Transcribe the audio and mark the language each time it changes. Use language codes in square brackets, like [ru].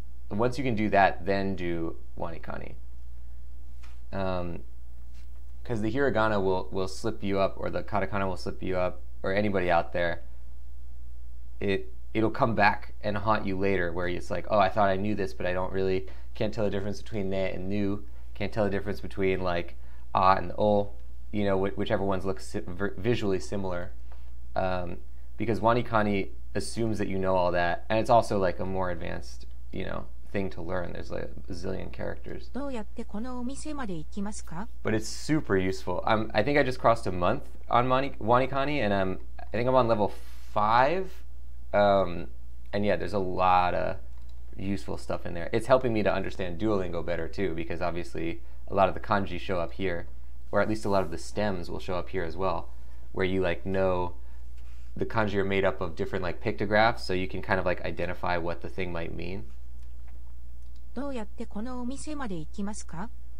[en] Once you can do that, then do WaniKani. Because the hiragana will slip you up, or the katakana will slip you up, or anybody out there, it'll come back and haunt you later, where it's like, oh, I thought I knew this, but I don't really, can't tell the difference between ne and nu, can't tell the difference between like ah and o, you know, whichever ones look visually similar. Because WaniKani assumes that you know all that, and it's also like a more advanced, you know, thing to learn. There's like a zillion characters. [ja] どうやってこのお店まで行きますか? [en] But it's super useful. I think I just crossed a month on WaniKani, and I think I'm on level 5. And yeah, there's a lot of useful stuff in there. It's helping me to understand Duolingo better too, because obviously a lot of the kanji show up here, or at least a lot of the stems will show up here as well, where you like know the kanji are made up of different like pictographs, so you can kind of like identify what the thing might mean. [ja] どうやってこのお店まで行きますか?